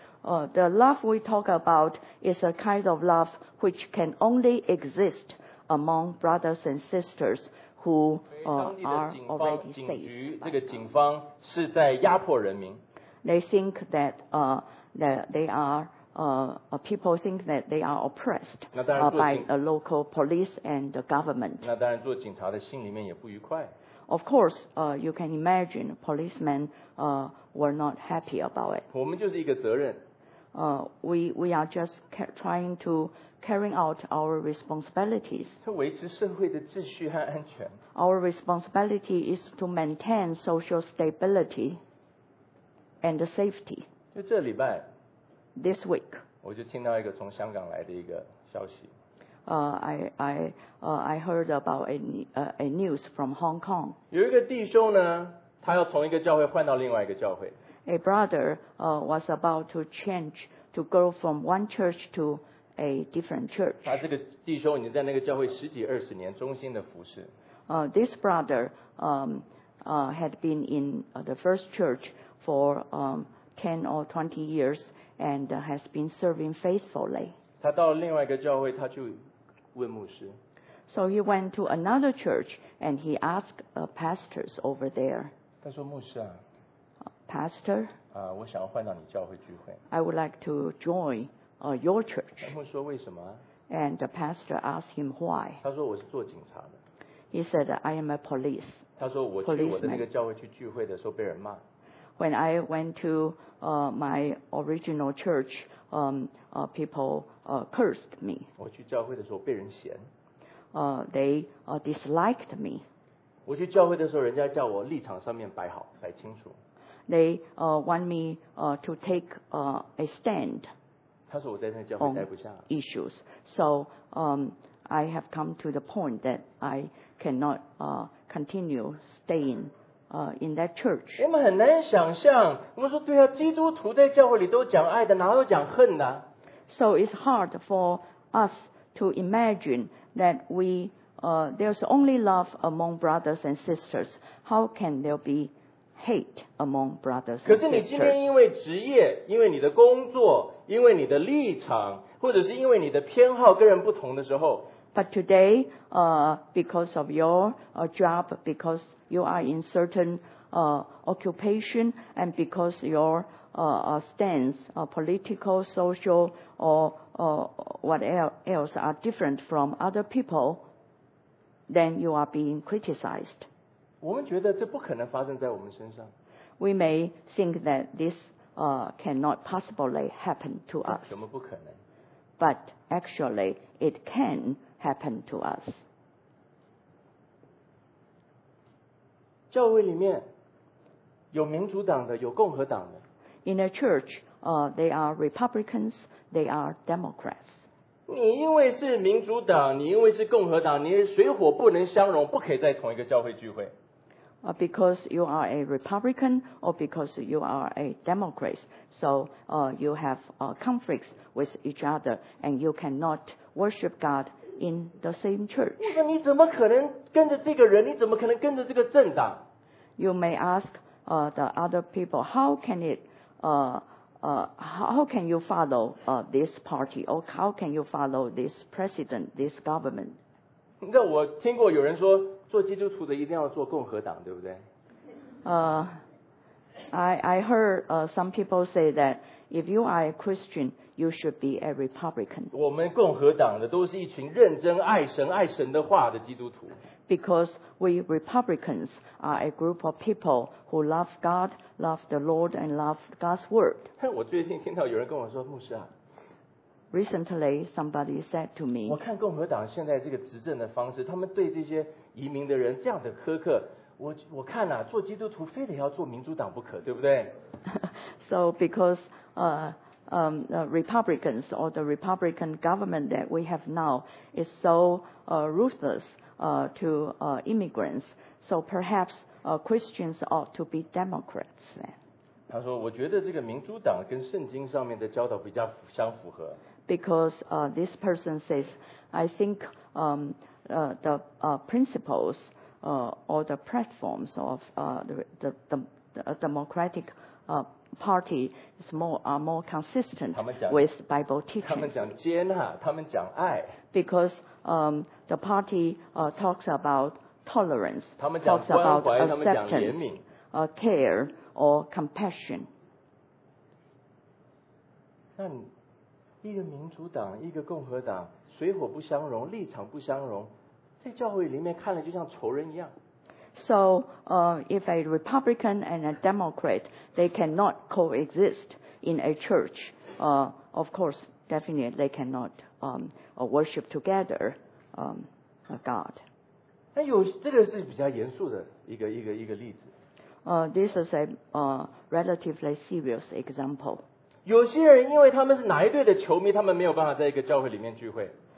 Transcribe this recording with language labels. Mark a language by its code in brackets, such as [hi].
[en] The love we talk about is a kind of love which can only exist among brothers and sisters who are already saved. [zh] 这个警方是在压迫人民。 [en] They think that that they are people think that they are oppressed by the local police and the government. [zh] 那当然，做警察的心里面也不愉快。 [en] Of course, you can imagine policemen were not happy about it. [zh] 我们就是一个责任。 [en] We are just trying to carry out our responsibilities. [zh] 维持社会的秩序和安全。 [en] Our responsibility is to maintain social stability and safety. [zh] 就这礼拜。 [en] This week. [zh] 我就听到一个从香港来的一个消息。 [en] I heard about a news from Hong Kong. [zh] 有一个弟兄呢，他要从一个教会换到另外一个教会。 [en] A brother was about to change to go from one church to a different church. [zh] 他这个弟兄已经在那个教会十几二十年，忠心的服侍。 [en] This brother had been in the first church for 10 or 20 years and has been serving faithfully. [zh] 他到了另外一个教会，他就问牧师。 [en] So he went to another church and he asked pastors over there. [zh] 他说牧师啊。 [en] Pastor. [zh] 我想要换到你教会聚会。 [en] I would like to join your church. [zh] 牧师说为什么？ [en] And the pastor asked him why. [zh] 他说我是做警察的。 [en] He said I am a police. [zh] 他说我去我的那个教会去聚会的时候被人骂。 [en] When I went to my original church, people cursed me. [zh] 我去教会的时候被人嫌。 [en] They disliked me. [zh] 我去教会的时候，人家叫我立场上面摆好，摆清楚。 [en] They want me to take a stand. [zh] 他说我在那教会待不下。 [en] Issues. So I have come to the point that I cannot continue staying. In that church. [zh] 我们很难想象，我们说对啊，基督徒在教会里都讲爱的，哪有讲恨的？ [en] So it's hard for us to imagine that we there's only love among brothers and sisters. How can there be hate among brothers and sisters? [zh] 可是你今天因为职业，因为你的工作，因为你的立场，或者是因为你的偏好跟人不同的时候。 [en] But today, because of your job, because you are in certain occupation, and because your stance, political, social, or what else are different from other people, then you are being criticized. [zh] 我们觉得这不可能发生在我们身上。 [en] We may think that this cannot possibly happen to us. [zh] 什么不可能？ [en] But actually, it can. Happen to us. [zh] 教会里面有民主党的，有共和党的。 [en] In a church, they are Republicans, they are Democrats. [zh] 你因为是民主党，你因为是共和党，你水火不能相容，不可以在同一个教会聚会。 [en] Because you are a Republican or because you are a Democrat, so you have conflicts with each other, and you cannot worship God. In the same church. [zh] 你怎么可能跟着这个人？你怎么可能跟着这个政党？ [en] You may ask the other people, how can it, how can you follow this party, or how can you follow this president, this government? [zh] 你知道我听过有人说，做基督徒的一定要做共和党，对不对？ [en] I heard some people say that. If you are a Christian, you should be a Republican. [zh] 我们共和党的都是一群认真爱神、爱神的话的基督徒。 [en] Because we Republicans are a group of people who love God, love the Lord, and love God's word. [zh] 我最近听到有人跟我说，牧师啊。 [en] Recently, somebody said to me. [zh] 我看共和党现在这个执政的方式，他们对这些移民的人这样的苛刻。我看啊，做基督徒非得要做民主党不可，对不对？ [en] So because Republicans or the Republican government that we have now is so ruthless to immigrants, so perhaps Christians ought to be Democrats then. [zh] 他说，我觉得这个民主党跟圣经上面的教导比较相符合。 [en] Because this person says, I think the principles. all the platforms of the Democratic Party is more consistent with Bible teaching. Because the party talks about tolerance, talks about acceptance, care or compassion. [zh] 一个民主党，一个共和党，水火不相容，立场不相容，在教会里面看了就像仇人一样。 [en] So, if a Republican and a Democrat, they cannot coexist in a church. Of course, definitely they cannot worship together, God. [zh] 那有这个是比较严肃的一个例子。 [en] This is a relatively serious example. [zh] 有些人因为他们是哪一队的球迷，他们没有办法在一个教会里面聚会。